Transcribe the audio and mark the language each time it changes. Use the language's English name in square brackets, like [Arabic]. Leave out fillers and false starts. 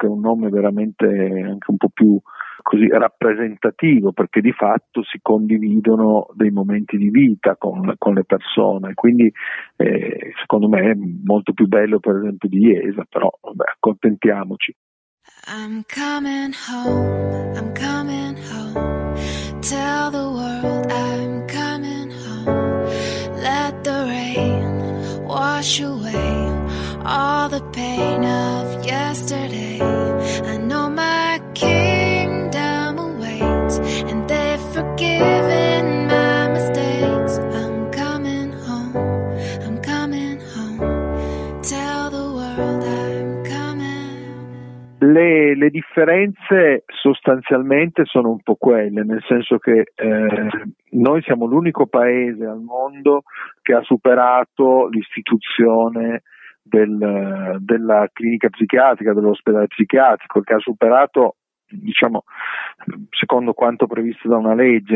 [Italian] Che è un nome veramente anche un po' più così rappresentativo, perché di fatto si condividono dei momenti di vita con le persone, quindi secondo me è molto più bello per esempio di IESA, però vabbè, accontentiamoci. [English] I'm coming home, I'm coming home, tell the world I'm coming home, let the rain wash away all the pain of yesterday, I know my kingdom awaits and they've forgiven my mistakes. I'm coming home, I'm coming home, tell the world I'm coming. [Italian] Le differenze sostanzialmente sono un po' quelle, nel senso che noi siamo l'unico paese al mondo che ha superato l'istituzione della clinica psichiatrica, dell'ospedale psichiatrico, che ha superato, diciamo, secondo quanto previsto da una legge.